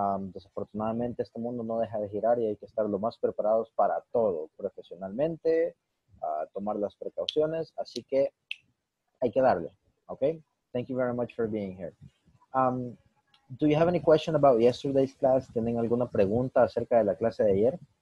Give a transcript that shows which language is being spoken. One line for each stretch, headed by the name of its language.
Spanish: Desafortunadamente este mundo no deja de girar y hay que estar lo más preparados para todo, profesionalmente, tomar las precauciones, así que hay que darle, okay?
English: Thank you very much for being here. Do you have any question about yesterday's class?
Spanish: ¿Tienen alguna pregunta acerca de la clase de ayer?